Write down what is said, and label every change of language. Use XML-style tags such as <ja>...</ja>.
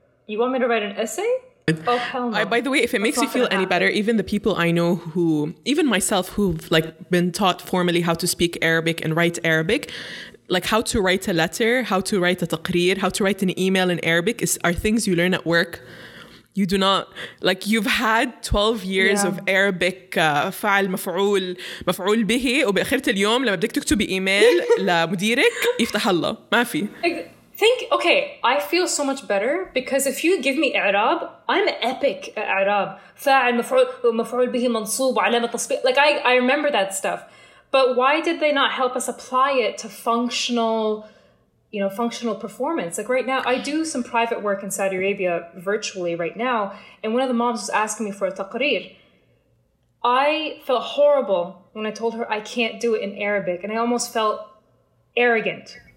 <en>You want me to write an essay? Oh, hell no. By the way, if it makes you feel any better, even the people I know who, even myself, who've like been taught formally how to speak Arabic and write Arabic, like how to write a letter, how to write a taqreer, how to write an email in Arabic are things you learn at work. You do not, like, you've had 12 years of Arabic</en> <ar>فعل مفعول مفعول به, وبأخرة اليوم لما بدك تكتبي إيميل لمديرك يفتح الله ما في.</ar> <en>Okay, I feel so much better because if you give me إعراب, I'm epic at إعراب.</en> <ar>فعل مفعول مفعول به منصوب وعلامة تصبيح.</ar> <en>Like, I remember that stuff. But why did they not help us apply it to functional performance? Like right now, I do some private work in Saudi Arabia virtually right now, and one of the moms was asking me for a taqreer. I felt horrible when I told her I can't do it in Arabic, and I almost felt arrogant.</en>